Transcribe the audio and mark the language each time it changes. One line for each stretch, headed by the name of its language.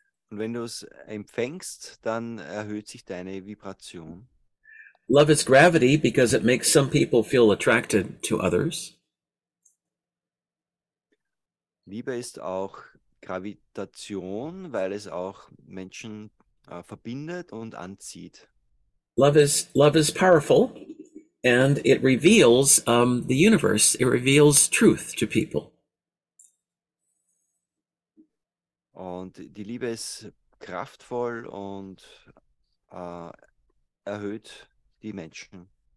German: Und wenn du es empfängst, dann erhöht sich deine Vibration.
English: Love is gravity because it makes some people feel attracted to others.
German: Liebe ist auch Gravitation, weil es auch Menschen verbindet und anzieht.
English: Love is powerful and it reveals the universe, it reveals truth to people.
German: Und die Liebe ist kraftvoll und erhöht die Menschen.